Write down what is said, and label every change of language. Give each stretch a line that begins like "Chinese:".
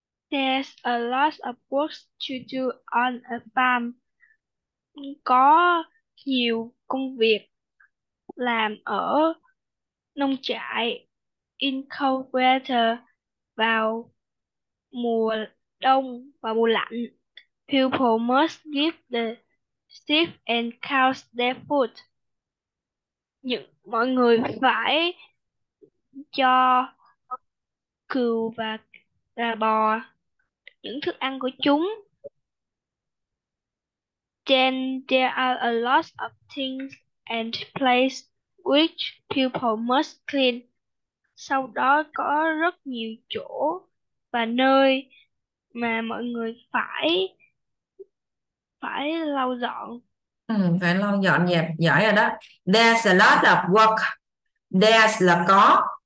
English: There's a lot of work to do on a farm.
Vietnamese: Có nhiều công việc làm ở nông trại.
English: In cold weather,
Vietnamese: vào mùa đông và mùa lạnh.
English: People must give the sheep and cows their food.
Vietnamese: Những mọi người phải cho cừu và gà bò những thức ăn của chúng.
English: Then there are a lot of things and places which people must clean.
Vietnamese: Sau đó có rất nhiều chỗ và nơi mà mọi người phải lau dọn. Phải lau dọn dẹp, giỏi rồi đó.
English: There's a lot of work. There's
Vietnamese: là có.